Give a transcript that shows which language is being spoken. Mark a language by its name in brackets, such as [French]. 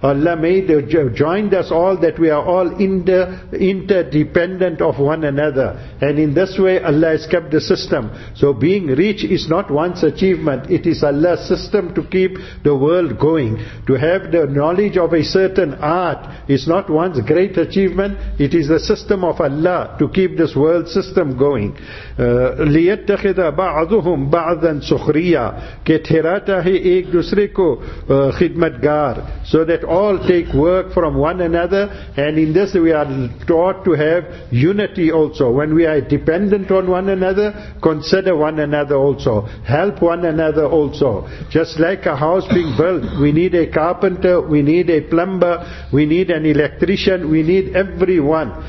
[English] Allah made joined us all that we are all interdependent of one another, and in this way Allah has kept the system. So being rich is not one's achievement. It is Allah's system to keep the world going. To have the knowledge of a certain art is not one's great achievement. It is the system of Allah to keep this world system going. [Arabic] لِيَتَّخِذَ بَعْضُهُمْ بَعْضًا سُخْرِيًا [Urdu] کہ ٹھیراتا ہے ایک دوسرے کو خدمتگار. [English] So that all take work from one another, and in this we are taught to have unity also. When we are dependent on one another, consider one another also. Help one another also. Just like a house being built, we need a carpenter, we need a plumber, we need an electrician, we need everyone.